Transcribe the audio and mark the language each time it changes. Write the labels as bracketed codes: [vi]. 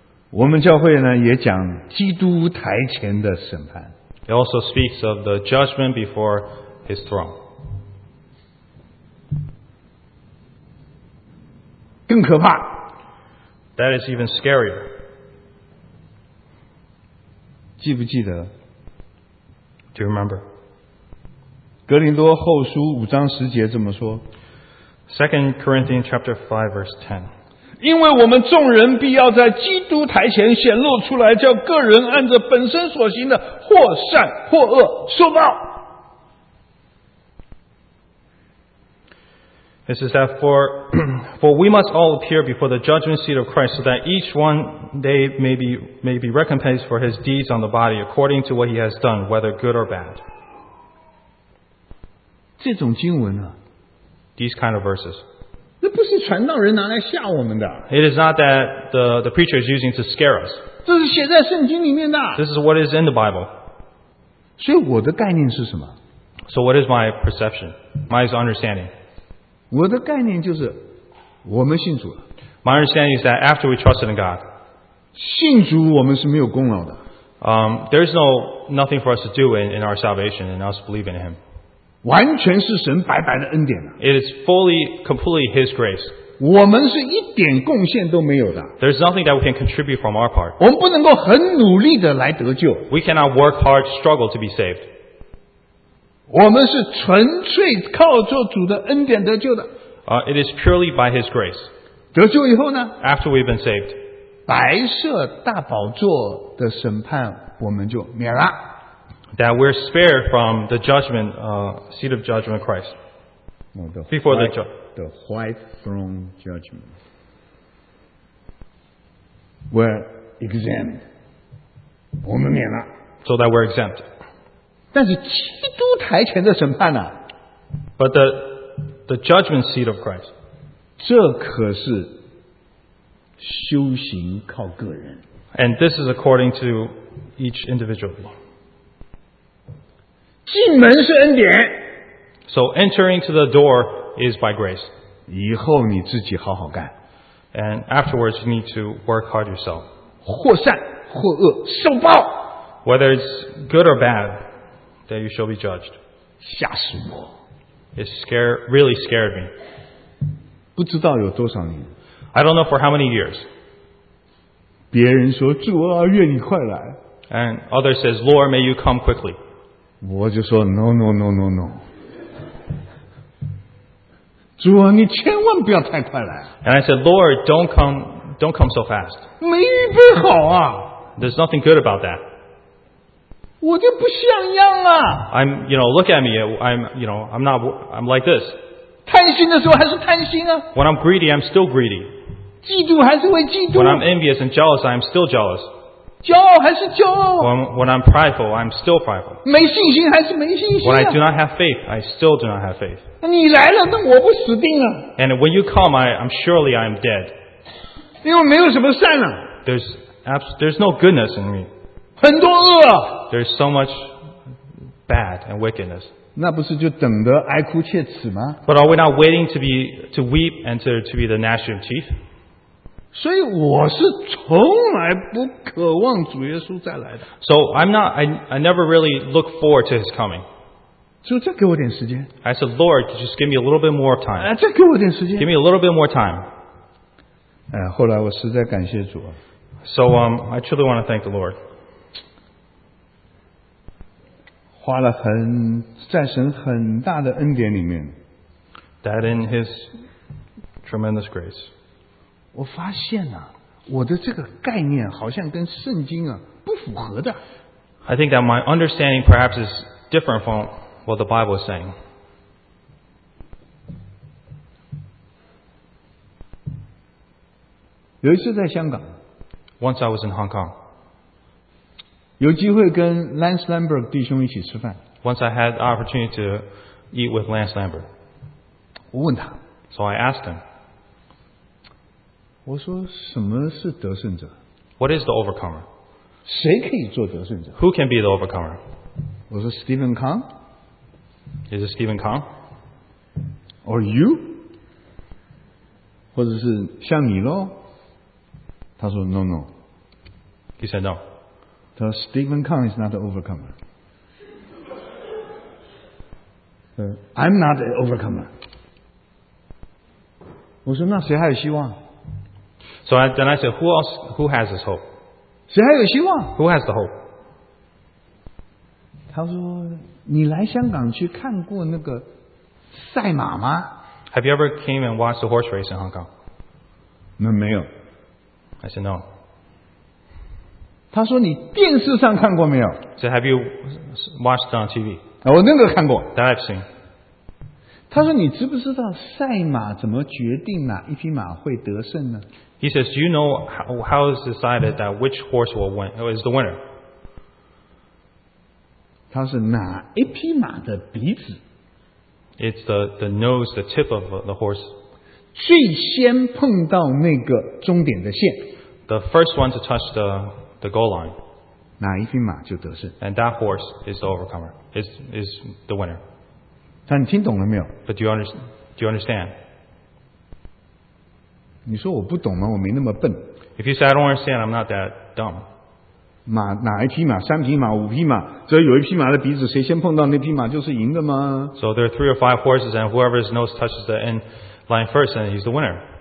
[zh] 我们教会呢也讲基督台前的审判 [en] It also speaks of the judgment before his throne. [zh] 更可怕 [en] That is even scarier. [zh] 记不记得 [en] Do you remember? [zh] 格林多后书五章十节这么说 [en] 2 Corinthians chapter 5 verse 10 [zh] 因为我们众人必要在基督台前显露出来叫个人按着本身所行的或善或恶受报 [en] It says that for we must all appear before the judgment seat of Christ so that each one they may be recompensed for his deeds on the body according to what he has done, whether good or bad. [zh] 这种经文啊, [en] These kind of verses. [zh] 那不是传道人拿来吓我们的。 [en] It is not that the preacher is using to scare us. [zh] 这是写在圣经里面的。 [en] This is what is in the Bible. [zh] 所以我的概念是什么? [en] So what is my perception? My understanding? [zh] 我的概念就是我们信主了。 [en] My understanding is that after we trusted in God, [zh] 信主我们是没有功劳的。 [en] There's nothing for us to do in our salvation and us believe in Him. [zh] 完全是神白白的恩典。 [en] It is fully, completely His grace. [zh] 我们是一点贡献都没有的。 [en] There's nothing that we can contribute from our part. [zh] 我们不能够很努力的来得救。 [en] We cannot work hard, struggle to be saved. [zh] 我们是纯粹靠着主的恩典得救的。 [en] It is purely by His grace. [zh] 得救以后呢 [en] After we've been saved. [zh] 白色大宝座的审判我们就免了。 [en] That we're spared from the judgment, seat of judgment of Christ. Before the judgment. The white throne judgment. We're exempt. [zh] 我们免了。 [en] So that we're exempt. [zh] 但是基督台前的审判啊 [en] But the judgment seat of Christ [zh] 这可是修行靠个人 [en] And this is according to each individual [zh] 进门是恩典 [en] So entering to the door is by grace [zh] 以后你自己好好干 [en] And afterwards you need to work hard yourself [zh] 或善或恶受报 [en] Whether it's good or badThat you shall be judged. [zh] 吓死我 [en] It scared, really scared me. [zh] 不知道有多少年 [en] I don't know for how many years. [zh] 别人说主啊愿你快来 [en] And others say, Lord, may you come quickly. [zh] 我就说 [en] no, no, no, no, no. [zh] 主啊你千万不要太快来 [en] And I said, Lord, don't come so fast. [zh] 没预备好啊 [en] There's nothing good about that. [zh] 我就不像样啊 [en] I'm, you know, look at me. I'm like this. [zh] 贪心的时候还是贪心啊 [en] When I'm greedy, I'm still greedy. [zh] 嫉妒还是会嫉妒 [en] When I'm envious and jealous, I'm still jealous. [zh] 骄傲还是骄傲。 [en] When I'm prideful, I'm still prideful. [zh] 没信心还是没信心。 [en] When I do not have faith, I still do not have faith. [zh] 你来了，那我不死定了。 [en] And when you come, I'm surely I'm dead. [zh] 因为没有什么善了。 [en] There's no goodness in me. [zh] 很多恶。 [en] There's so much bad and wickedness. [zh] 那不是就等得哀哭切齿吗？ [en] But are we not waiting to weep and to be the gnashing of teeth? [zh] 所以我是从来不渴望主耶稣再来的。 [en] So I never really look forward to his coming. [zh] 主再给我点时间。 [en] I said, Lord, just give me a little bit more time. [zh] 再给我点时间。 [en] Give me a little bit more time. [zh] 哎，后来我实在感谢主啊。 [en] So I truly want to thank the Lord. [zh] 花了很在神很大的恩典里面 [en] that in his tremendous grace [zh] 我发现啊我的这个概念好像跟圣经啊不符合的 [en] I think that my understanding perhaps is different from what the Bible is saying [zh] 有一次在香港 [en] once I was in Hong Kong [zh] 有机会跟 Lance Lambert 弟兄一起吃饭。 [en] Once I had the opportunity to eat with Lance Lambert. [zh] 我问他。 [en] So I asked him. [zh] 我说什么是得胜者 [en] ?What is the overcomer? [zh] 谁可以做得胜者 [en] ?Who can be the overcomer? [zh] 我说 Stephen Kong? [en] Is it Stephen Kong? Or you? [zh] 或者是像你咯他说 [en] no, no. He said no. So Stephen Kong is not the overcomer. I'm not the overcomer. [zh] 我说那谁还有希望 [en] So then I said, who else, who has this hope? [zh] 谁还有希望 [en] Who has the hope? [zh] 他说你来香港去看过那个赛马吗 [en] Have you ever came and watched the horse race in Hong Kong? [zh] 那没有 [en] I said no. [zh] 他说你电视上看过没有 [en] So have you watched on TV? [zh] 我那个看过 [en] That I've seen [zh] 他说你知不知道赛马怎么决定哪一匹马会得胜呢 [en] He says, do you know how is decided that which horse will win, who is the winner? [zh] 他是哪一匹马的鼻子 [en] It's the nose, the tip of the horse [zh] 最先碰到那个终点的线 [en] The first one to touch theThe goal line. [zh] 哪一匹马就得胜。 [en] And that horse is the overcomer, is the winner. [zh] 但你听懂了没有? [en] But do you understand? [zh] 你说我不懂吗?我没那么笨。 [en] If you say I don't understand, I'm not that dumb. [zh] 马,哪一匹马? 三匹马,五匹马,只要有一匹马的鼻子,谁先碰到那匹马就是赢的吗? [en] So there are three or five horses, and whoever's nose touches the end line first, then he's the winner.